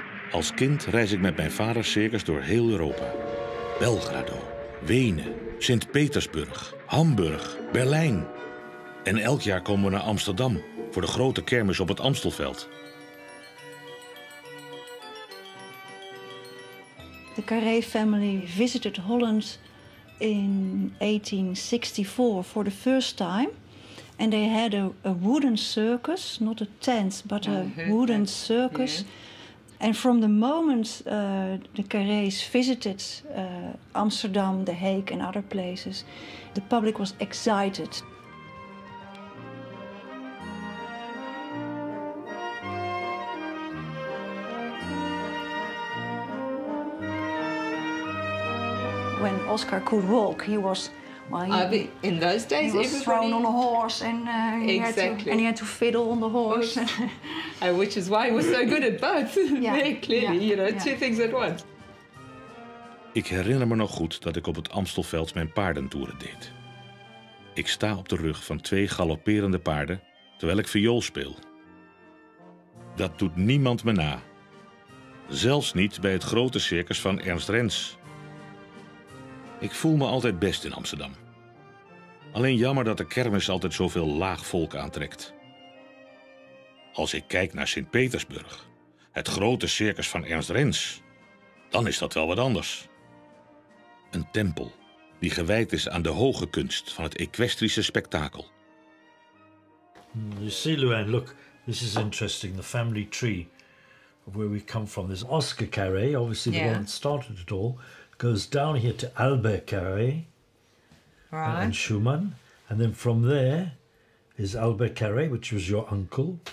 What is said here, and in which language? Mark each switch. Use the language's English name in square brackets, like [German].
[Dutch] Als kind reis ik met mijn vader circus door heel Europa. Belgrado, Wenen, Sint-Petersburg, Hamburg, Berlijn. En elk jaar komen we naar Amsterdam voor de grote kermis op het Amstelveld. [English] The Carré family visited Holland in 1864 for the first time. And they had a wooden circus, not a tent, but a wooden circus. And from the moment the Carrés visited Amsterdam, The Hague and other places, the public was excited. When Oscar could walk, he was... In those days, he was thrown on a horse and, he had to fiddle on the horse. And which is why he was so good at both. Yeah. Very clearly, two things at once. [Dutch] Ik herinner me nog goed dat ik op het Amstelveld mijn paardentoeren deed. Ik sta op de rug van 2 galopperende paarden terwijl ik viool speel. Dat doet niemand me na. Zelfs niet bij het grote circus van Ernst Rens. Ik voel me altijd best in Amsterdam. Alleen jammer dat de kermis altijd zoveel laag volk aantrekt. Als ik kijk naar Sint-Petersburg, het grote circus van Ernst Rens, dan is dat wel wat anders. Een tempel die gewijd is aan de hoge kunst van het equestrische spektakel. [English] You see, Luan, look, this is interesting, the family tree of where we come from. There's Oscar Carré, obviously the one that started it all. Goes down here to Albert Carré and Schumann. And then from there is Albert Carré, which was your uncle.